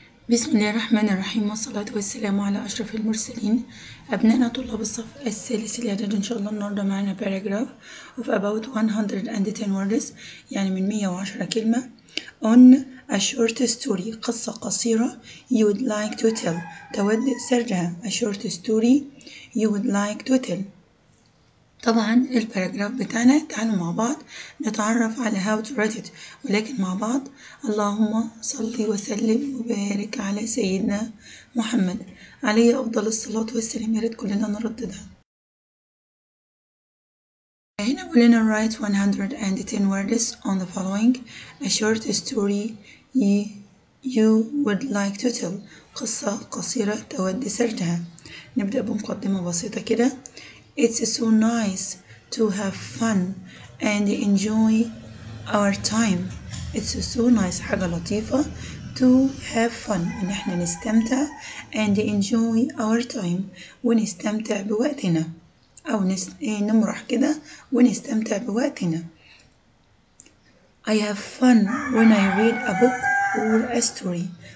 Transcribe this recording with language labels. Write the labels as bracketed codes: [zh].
[ar] بسم الله الرحمن الرحيم، والصلاة والسلام على أشرف المرسلين. أبنائنا طلاب الصف الثالث الإعداد، إن شاء الله النهاردة معانا [en] paragraph of about 110 words، [ar] يعني من 110 كلمة. [en] on a short story، [ar] قصة قصيرة. [en] you would like to tell، [ar] تود سردها. [en] a short story you would like to tell. [ar] طبعا الباراجراف بتاعنا، تعالوا مع بعض نتعرف على [en] how to write it، [ar] ولكن مع بعض. اللهم صل وسلم وبارك على سيدنا محمد عليه أفضل الصلاة والسلام، يا ريت كلنا نرددها. هنا قلنا [en] write 110 words on the following: a short story you would like to tell، [ar] قصة قصيرة تود سردها. نبدأ بمقدمة بسيطة كده. [en] It's so nice to have fun and enjoy our time. It's so nice، [ar] حاجة لطيفة. [en] To have fun، [ar] إن إحنا نستمتع. [en] And enjoy our time، [ar] ونستمتع بوقتنا، أو نمرح كده ونستمتع بوقتنا. [en] I have fun when I read a book or a story.